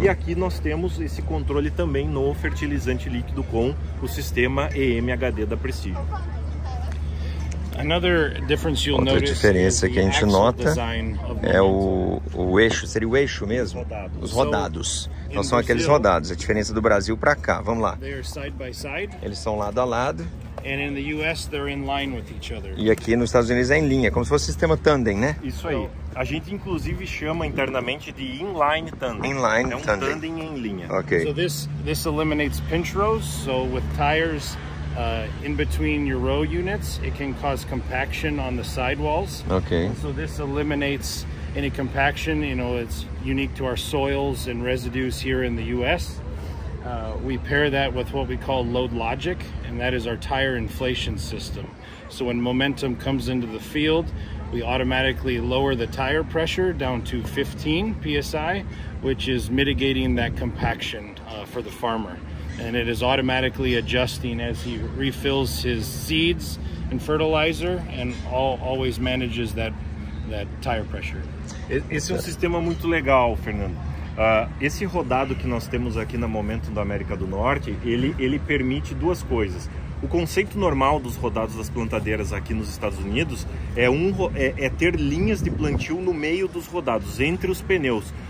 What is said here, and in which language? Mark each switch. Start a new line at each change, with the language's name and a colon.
Portuguese: E aqui nós temos esse controle também no fertilizante líquido com o sistema EMHD da Precision. Outra diferença que a gente nota é o eixo, seria o eixo mesmo? Rodados. Os rodados. Então são aqueles rodados, a diferença do Brasil para cá. Vamos lá. Eles são lado a lado.
English: And in the US, they're in line with each other.
Portuguese: E aqui nos Estados Unidos é em linha, como se fosse sistema tandem, né? Isso aí. A gente inclusive chama internamente de inline tandem. Inline tandem. É um tandem em linha. Ok.
English: So this eliminates pinch rows. So with tires in between your row units, it can cause compaction on the sidewalls. Okay. So this eliminates any compaction. You know, it's unique to our soils and residues here in the US. We pair that with what we call load logic, and that is our tire inflation system. So when momentum comes into the field, we automatically lower the tire pressure down to 15 psi, which is mitigating that compaction for the farmer. And it is automatically adjusting as he refills his seeds and fertilizer, and always manages that tire pressure.
Portuguese: Esse é um sistema muito legal, Fernando. Esse rodado que nós temos aqui na Momentum da América do Norte, ele permite duas coisas. O conceito normal dos rodados das plantadeiras aqui nos Estados Unidos é ter linhas de plantio no meio dos rodados, entre os pneus.